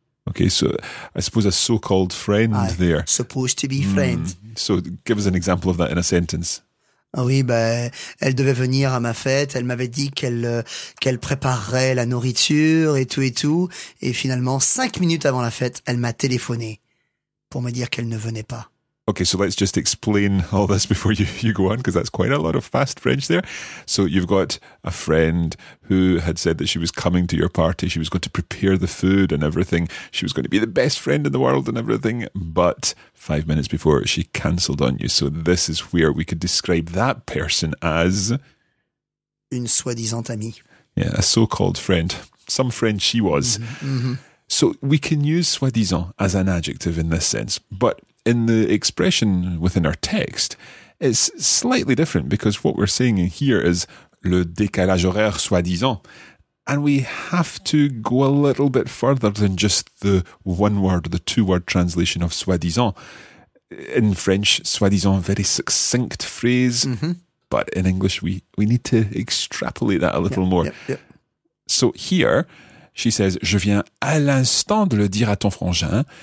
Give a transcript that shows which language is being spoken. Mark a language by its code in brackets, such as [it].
[en] Okay, so I suppose a so-called friend there. Supposed to be friend. Mm. So give us an example of that in a sentence. [fr] Oui, elle devait venir à ma fête. Elle m'avait dit qu'elle préparerait la nourriture et tout et tout. Et finalement, 5 minutes avant la fête, elle m'a téléphoné pour me dire qu'elle ne venait pas. [en] Okay, so let's just explain all this before you go on, because that's quite a lot of fast French there. So you've got a friend who had said that she was coming to your party. She was going to prepare the food and everything. She was going to be the best friend in the world and everything. But 5 minutes before, she cancelled on you. So this is where we could describe that person as... [fr] Une soi-disant amie. [en] Yeah, a so-called friend. Some friend she was. Mm-hmm, mm-hmm. So we can use soi-disant as an adjective in this sense, but... In the expression within our text, it's slightly different because what we're saying here is [fr] le décalage horaire soi-disant. [en] And we have to go a little bit further than just the one word, the two word translation of soi-disant. In French, soi-disant, very succinct phrase. Mm-hmm. But in English, we need to extrapolate that a little more. Yep. So here, she says, [fr] je viens à l'instant de le dire à ton frangin.